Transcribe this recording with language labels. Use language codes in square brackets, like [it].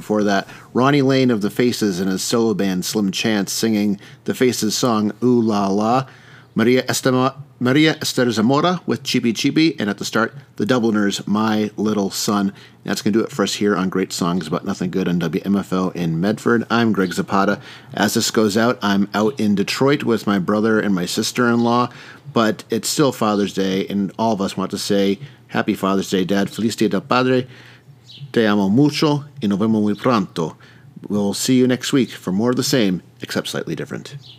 [en] Before that, Ronnie Lane of The Faces and his solo band Slim Chance singing The Faces song Ooh La La, Maria Esther Zamora with Chibi Chibi, and at the start, The Dubliners' My Little Son. That's going to do it for us here on Great Songs About Nothing Good on WMFO in Medford. I'm Greg Zapata. As this goes out, I'm out in Detroit with my brother and my sister-in-law, but it's still Father's Day, and all of us want to say Happy Father's Day, Dad. [es] Feliz Dia del Padre. Te amo mucho y nos vemos muy pronto. [en] We'll see you next week for more of the same, except slightly different.